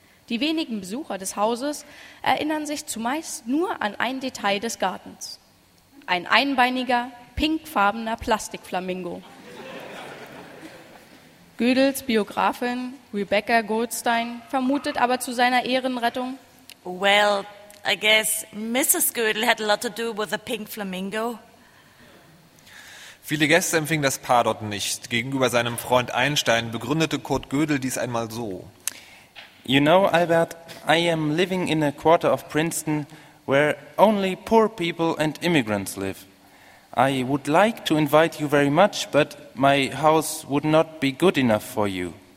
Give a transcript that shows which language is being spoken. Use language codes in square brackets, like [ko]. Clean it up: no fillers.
[de] Die wenigen Besucher des Hauses erinnern sich zumeist nur an ein Detail des Gartens. Ein einbeiniger, pinkfarbener Plastikflamingo. Gödels Biografin Rebecca Goldstein vermutet aber zu seiner Ehrenrettung, [en] Well, I guess Mrs. Gödel had a lot to do with the pink flamingo. [de] Viele Gäste empfingen das Paar dort nicht. Gegenüber seinem Freund Einstein begründete Kurt Gödel dies einmal so. [en] You know, Albert, I am living in a quarter of Princeton where only poor people and immigrants live. I would like to invite you very much, but my house would not be good enough for you.